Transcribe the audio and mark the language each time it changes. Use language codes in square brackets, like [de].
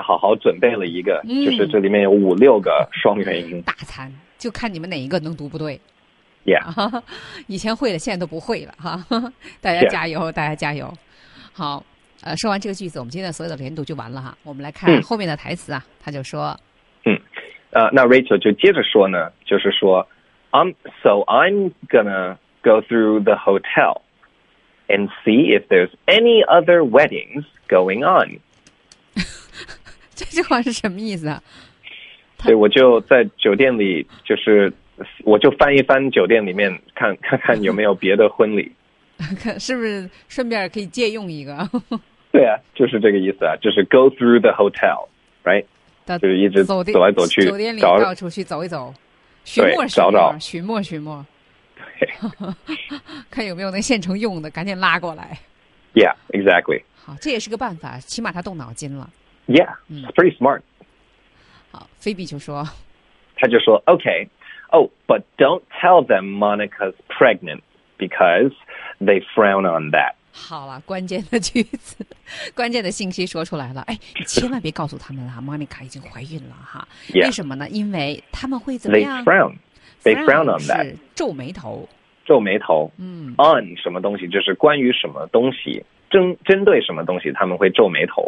[zh] 好好准备了一个，就是这里面有五六个双元音大餐，就看你们哪一个能读不对 [en] ，Yeah， [zh] 以前会的现在都不会了哈，大家加油， yeah， 大家加油，好，说完这个句子，我们今天的所有的连读就完了哈，我们来看后面的台词啊，他就说。那 Rachel 就接着说呢，就是说 [en] So I'm gonna go through the hotel and see if there's any other weddings going on. [zh] 这句话是什么意思啊？对，我就在酒店里，就是我就翻一翻酒店里面看看有没有别的婚礼，是不是顺便可以借用一个？对啊，就是这个意思啊，就是 [en] go through the hotel, right? [zh] 就是一直走来走去，酒店里到处去走一走，寻摸，对，看有没有能现成用的，赶紧拉过来。 [en] Yeah, exactly. [zh] 好，这也是个办法，起码他动脑筋了。 [en] Yeah, it's pretty smart. [zh] 好，菲比就说，他就说 [en] ，Okay, oh, but don't tell them Monica's pregnant because they frown on that. [zh] 好了，关键的句子，关键的信息说出来了。哎，千万别告诉他们了，Monica 已经怀孕了哈。 [en] Yeah. [zh] 为什么呢？因为他们会怎么样 [en] ？They frown on that. [zh] 是皱眉头。皱眉头。嗯。 On 什么东西？就是关于什么东西，针对什么东西，他们会皱眉头。